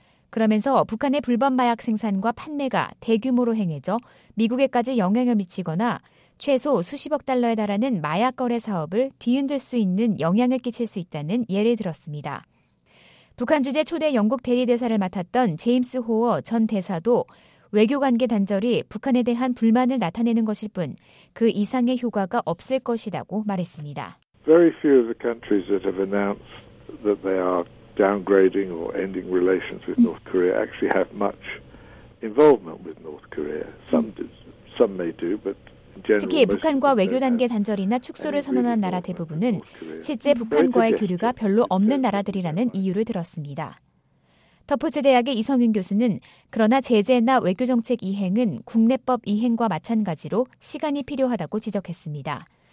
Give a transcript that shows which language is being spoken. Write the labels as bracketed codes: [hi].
[ko] 그러면서 북한의 불법 마약 생산과 판매가 대규모로 행해져 미국에까지 영향을 미치거나 최소 수십억 달러에 달하는 마약 거래 사업을 뒤흔들 수 있는 영향을 끼칠 수 있다는 예를 들었습니다. 북한 주재 초대 영국 대리대사를 맡았던 제임스 호어 전 대사도 외교관계 단절이 북한에 대한 불만을 나타내는 것일 뿐 그 이상의 효과가 없을 것이라고 말했습니다. [en] Very few of the countries that have announced that they are downgrading or ending relations with North Korea actually have much involvement with North Korea. Some may do, but [ko] 특히 북한과 외교 단계 단절이나 축소를 선언한 나라 대부분은 실제 북한과의 교류가 별로 없는 나라들이라는 이유를 들었습니다. 터포츠 대학의 이성윤 교수는 그러나 제재나 외교 정책 이행은 국내법 이행과 마찬가지로 시간이 필요하다고 지적했습니다.